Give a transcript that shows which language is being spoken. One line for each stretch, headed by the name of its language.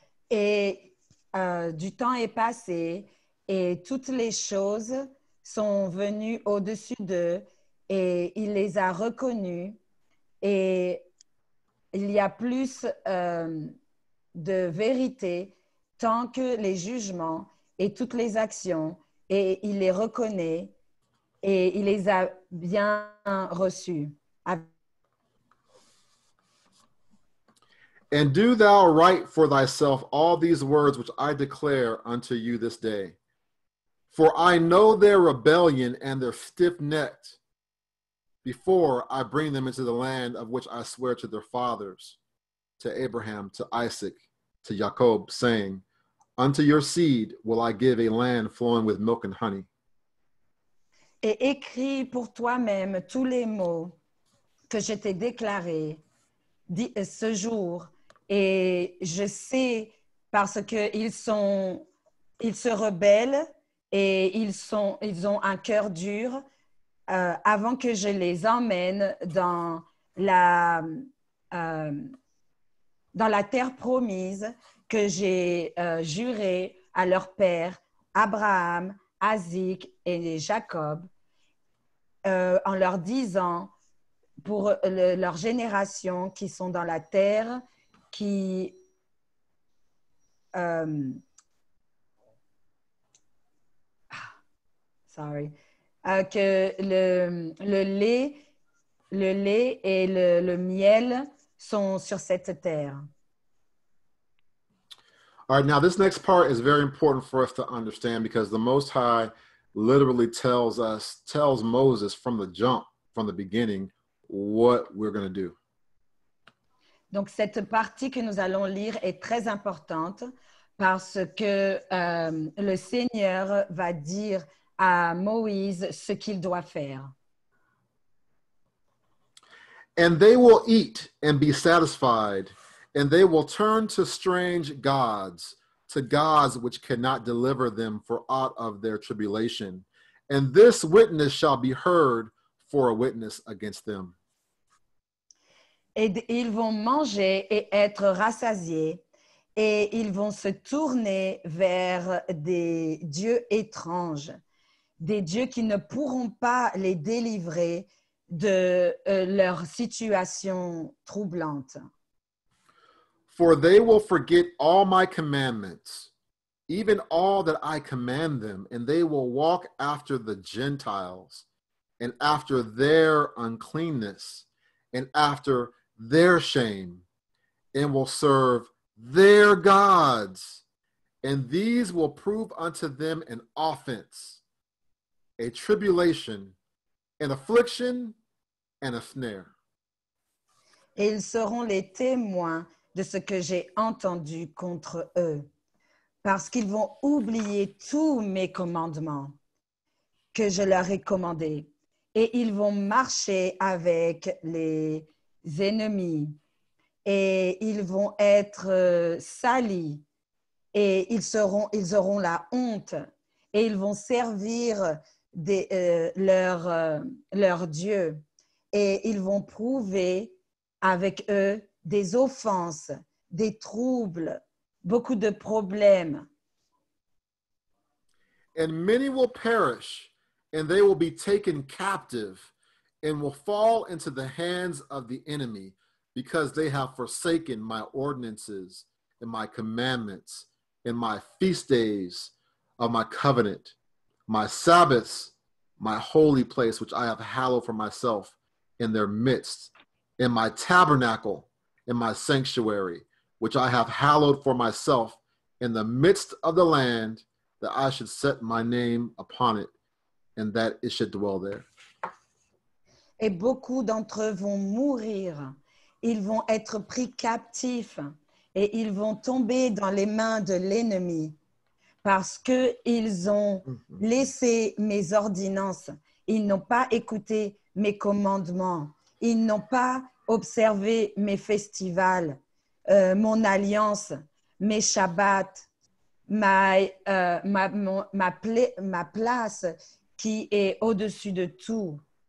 French: Et du temps est passé. Et toutes les choses sont venues au-dessus d'eux et il les a reconnues. Et il y a plus de vérité tant que les jugements et toutes les actions. Et il les reconnaît et il les a bien reçus.
English: And do thou write for thyself all these words which I declare unto you this day. For I know their rebellion and their stiff-necked before I bring them into the land of which I swear to their fathers, to Abraham, to Isaac, to Jacob, saying, unto your seed will I give a land flowing with milk and honey.
French: Et écris pour toi-même tous les mots que je t'ai déclarés ce jour, et je sais parce que ils se rebellent. Et ils ont un cœur dur avant que je les emmène dans la terre promise que j'ai juré à leur père Abraham, Isaac et Jacob. en leur disant pour leur génération qui sont dans la terre, qui que le lait et le miel sont sur cette terre.
English: All right, now this next part is very important for us to understand because the Most High literally tells Moses from the jump, from the beginning, what we're going to do.
French: Donc cette partie que nous allons lire est très importante parce que le Seigneur va dire à Moïse ce qu'il doit faire.
English: And they will eat and be satisfied, and they will turn to strange gods, to gods which cannot deliver them for aught of their tribulation. And this witness shall be heard for a witness against them.
French: Et ils vont manger et être rassasiés, et ils vont se tourner vers des dieux étranges, des dieux qui ne pourront pas les délivrer de leur situation troublante.
English: For they will forget all my commandments, even all that I command them, and they will walk after the Gentiles, and after their uncleanness, and after their shame, and will serve their gods, and these will prove unto them an offense, a tribulation, an affliction, and a snare.
French: Et ils seront les témoins de ce que j'ai entendu contre eux, parce qu'ils vont oublier tous mes commandements que je leur ai commandés, et ils vont marcher avec les ennemis, et ils vont être salis, et ils auront la honte, et ils vont servir leur Dieu, et ils vont prouver avec eux des offenses, des troubles, beaucoup de problèmes.
English: And many will perish, and they will be taken captive, and will fall into the hands of the enemy, because they have forsaken my ordinances and my commandments and my feast days of my covenant, my Sabbaths, my holy place, which I have hallowed for myself in their midst, in my tabernacle, in my sanctuary, which I have hallowed for myself in the midst of the land, that I should set my name upon it, and that it should dwell there.
French: Et beaucoup d'entre eux vont mourir. Ils vont être pris captifs et ils vont tomber dans les mains de l'ennemi parce qu'ils ont laissé mes ordonnances. Ils n'ont pas écouté mes commandements. Ils n'ont pas observé mes festivals, mon alliance, mes shabbats, ma place qui est au-dessus de tout.